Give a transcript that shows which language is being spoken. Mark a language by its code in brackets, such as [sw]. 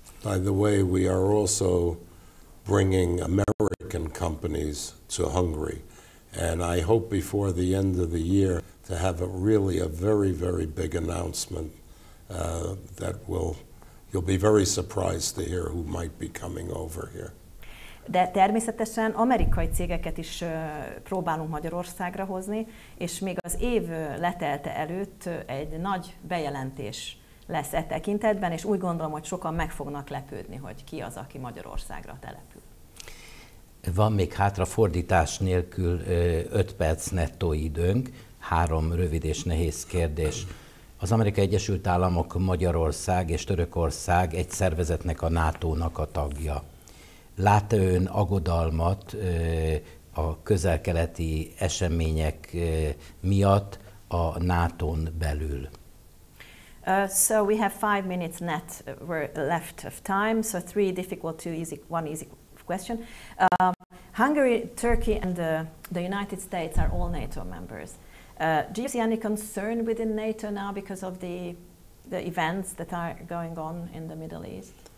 [en] By the way, we are also bringing American companies to Hungary, and I hope before the end of the year to have a very, very big announcement that will, you'll be very surprised to hear who might be coming over here. [hu] De természetesen amerikai cégeket is próbálunk Magyarországra hozni, és még az év letelte előtt egy nagy bejelentés lesz e tekintetben, és úgy gondolom, hogy sokan meg fognak lepődni, hogy ki az, aki Magyarországra települ. Van még hátra fordítás nélkül 5 perc nettó időnk, 3 rövid és nehéz kérdés. Az Amerikai Egyesült Államok, Magyarország és Törökország egy szervezetnek, a NATO-nak a tagja. Lát-e ön aggodalmat a közel-keleti események miatt a NATO-n belül? [en] So we have 5 minutes net left of time, so 3 difficult, 2 easy, 1 easy question. Hungary, Turkey and the United States are all NATO members. Do you see any concern within NATO now because of the events that are going on in the Middle East?